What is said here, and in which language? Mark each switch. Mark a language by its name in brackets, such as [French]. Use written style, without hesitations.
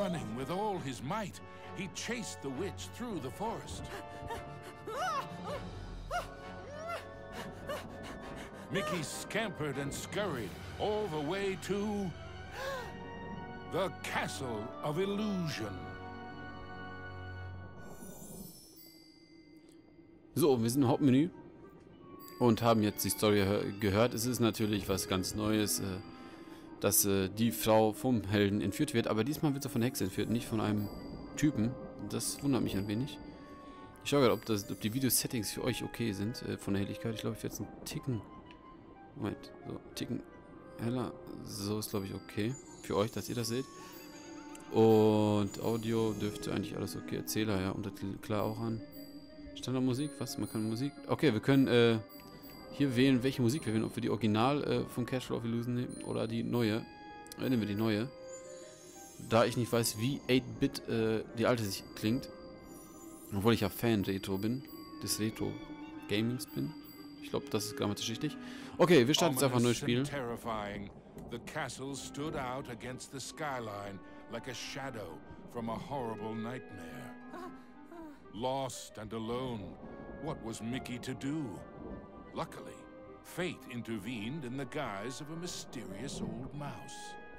[English] Running with all his might, he chased the witch through the forest. Mickey scampered and scurried all the way to the Castle of Illusion. [German] So, wir sind im Hauptmenü und haben jetzt die Story gehört. Es ist natürlich was ganz Neues, dass die Frau vom Helden entführt wird. Aber diesmal wird sie von Hexe entführt, nicht von einem Typen. Das wundert mich ein wenig. Ich schaue gerade, ob die Video-Settings für euch okay sind von der Helligkeit. Ich glaube, ich werde jetzt einen Ticken... Moment, so, Ticken heller. So ist, glaube ich, okay für euch, dass ihr das seht. Und Audio dürfte eigentlich alles okay. Erzähler, ja, Untertitel klar auch an. Standardmusik, was? Man kann Musik... Okay, wir können hier wählen, welche Musik wir wählen. Ob wir die Original von Castle of Illusion nehmen oder die neue. Nehmen wir die neue. Da ich nicht weiß, wie 8-Bit die alte sich klingt. Obwohl ich ja Fan Retro bin, des Retro Gamings bin. Ich glaube, das ist grammatisch richtig. Okay, wir starten jetzt einfach neues Spiel. [English] Terrifying. The castle stood out against the skyline like a shadow from a horrible nightmare. Lost and alone, what was Mickey to do? Luckily, fate intervened in the guise of a mysterious old mouse.